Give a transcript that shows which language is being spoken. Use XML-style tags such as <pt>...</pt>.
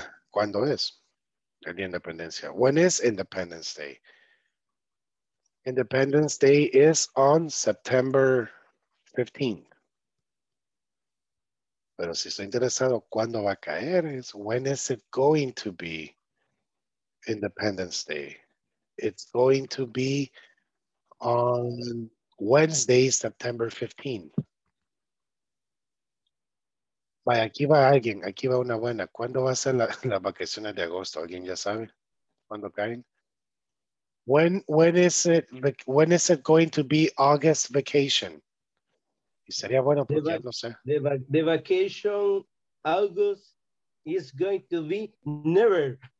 <es>¿Cuándo es el día de independencia?</es> <en>When is Independence Day? Independence Day is on September 15th.</en> <es>Pero si estoy interesado, ¿cuándo va a caer?</es> <en>Es when is it going to be Independence Day? It's going to be on Wednesday, September 15th.</en> <es>Vaya, aquí va alguien, aquí va una buena. ¿Cuándo va a ser la vacaciones de agosto? ¿Alguien ya sabe? ¿Cuándo caen?</es> <en>When is it going to be August vacation?</en> <es>Y sería bueno porque no sé.</es> <en>The vacation August is going to be never.</en>